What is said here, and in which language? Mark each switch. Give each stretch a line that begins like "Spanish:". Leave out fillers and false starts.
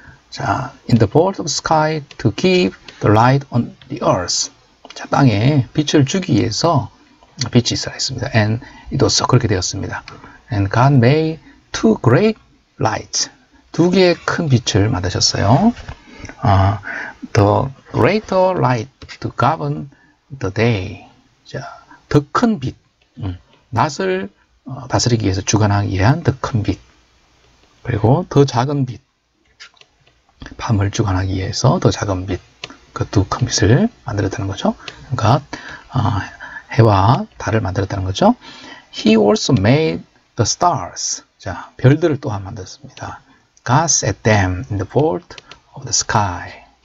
English: 자, in the vault of sky to give the light on the earth.
Korean: 자, 땅에 빛을 주기 위해서 빛이 있어라 했습니다.
English: And it was so.
Korean: 그렇게 되었습니다.
English: And God made two great lights.
Korean: 두 개의 큰 빛을 만드셨어요.
English: The greater light to govern the day.
Korean: 자, 더큰 빛. 낮을 다스리기 위해서 주관하기 위한 더큰 빛. 그리고 더 작은 빛. 밤을 주관하기 위해서 더 작은 빛. 그두큰 빛을 만들었다는 거죠. 그러니까, 해와 달을 만들었다는 거죠.
English: He also made the stars.
Korean: 자, 별들을 또한 만들었습니다.
English: God set them in the vault of the sky.